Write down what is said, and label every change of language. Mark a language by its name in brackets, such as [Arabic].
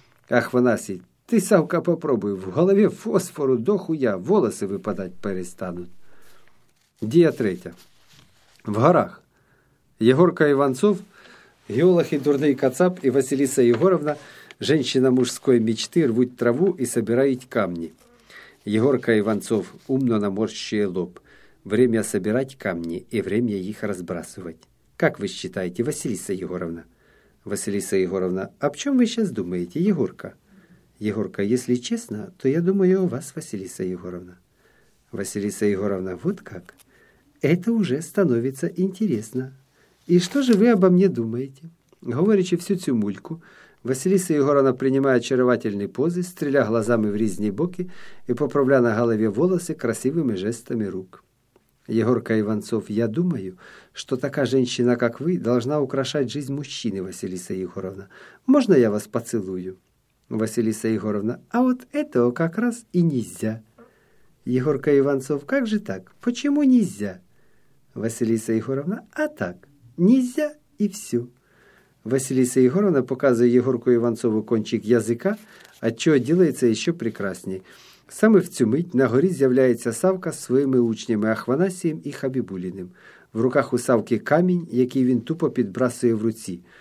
[Ukrainian] Ахванасій, ти, Савка, попробуй, в голові фосфору дохуя, волоси випадати перестануть. Дія третя. В горах. Єгорка Іванцов, геолог і дурний кацап, і Василіса Єгоровна, женщина мужської мічти, рвуть траву і собирають камні. Єгорка Іванцов умно наморщує лоб. [Russian] Время собирать камни и время их разбрасывать. Как вы считаете, Василиса Егоровна? Василиса Егоровна, об чем вы сейчас думаете, Егорка? Егорка, если честно, то я думаю о вас, Василиса Егоровна. Василиса Егоровна, вот как? Это уже становится интересно. И что же вы обо мне думаете? [Ukrainian] Говорячи всю цю мульку, Василиса Егоровна приймає чарівательні пози, стріляє глазами в різні боки і поправляє на голові волоси красивими жестами рук. Єгорка Іванцов, я думаю, що така жінка, як ви, должна украшати життя мужчини, Василиса Егоровна. Можна я вас поцілую? Василиса Егоровна, а от цього якраз і нельзя. Єгорка Іванцов, як же так? Почому нельзя? Василиса Егоровна, а так, нельзя і все. Василиса Егоровна показує Єгорку Іванцову кончик язика, а чого ділається ще прекрасніше. Саме в цю мить на горі з'являється Савка з своїми учнями Ахванасієм і Хабібуліним. В руках у Савки камінь, який він тупо підбрасує в руці.